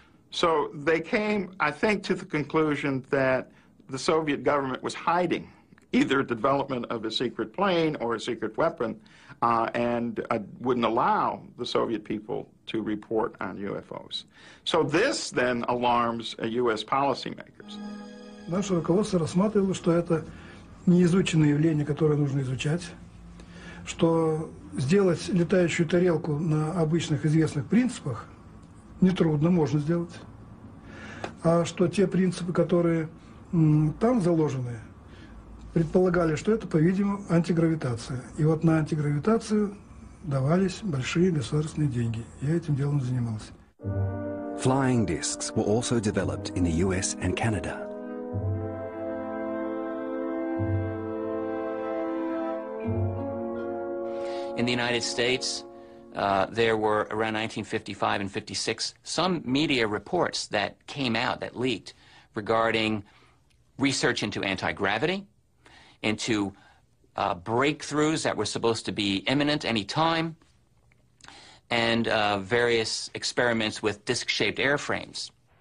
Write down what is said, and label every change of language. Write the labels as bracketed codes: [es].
[en] So they came, I think, to the conclusion that the Soviet government was hiding either the development of a secret plane or a secret weapon and wouldn't allow the Soviet people to report on UFOs. So this then alarms U.S. policymakers. [ru] Наше руководство рассматривало, что это неизученное явление, которое нужно изучать, что сделать летающую тарелку на обычных известных принципах нетрудно, можно сделать. А что те принципы, которые там заложены, предполагали, что это, по-видимому, антигравитация. И вот на антигравитацию давались большие государственные деньги. Я этим делом занимался. [en] Flying discs were also developed in the US and Canada. In the United States, there were, around 1955 and 56, some media reports that came out, that leaked, regarding research into anti-gravity, into breakthroughs that were supposed to be imminent any time, and various experiments with disc-shaped airframes.